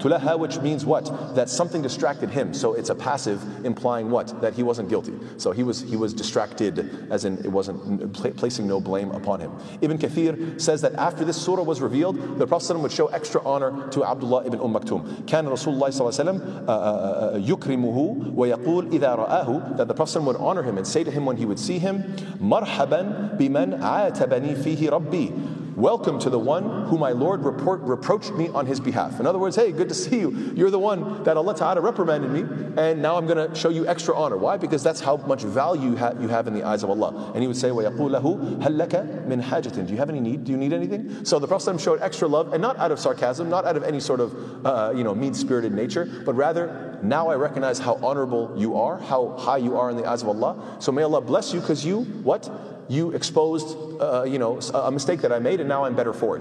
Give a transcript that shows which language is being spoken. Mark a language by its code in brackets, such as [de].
[en] Tulaha, which means what? That something distracted him. So it's a passive implying what? That he wasn't guilty. So he was distracted, as in it wasn't placing no blame upon him. Ibn Kathir says that after this surah was revealed, the Prophet ﷺ would show extra honor to Abdullah ibn Maktum. [ar] كان رسول الله صلى الله عليه وسلم يكرمه ويقول إذا رآه, [en] that the Prophet ﷺ would honor him and say to him when he would see him, [ar] مرحبا بمن عاتبني فيه ربي. [en] Welcome to the one who my Lord reproached me on his behalf. In other words, hey, good to see you. You're the one that Allah Ta'ala reprimanded me, and now I'm going to show you extra honor. Why? Because that's how much value you have in the eyes of Allah. And he would say, [ar] وَيَقُولُ لَهُ هَلْ لَكَ مِنْ حَاجَةٍ. [en] Do you have any need? Do you need anything? So the Prophet ﷺ showed extra love, and not out of sarcasm, not out of any sort of mean-spirited nature, but rather, now I recognize how honorable you are, how high you are in the eyes of Allah. So may Allah bless you, because you, what? You exposed a mistake that I made, and now I'm better for it.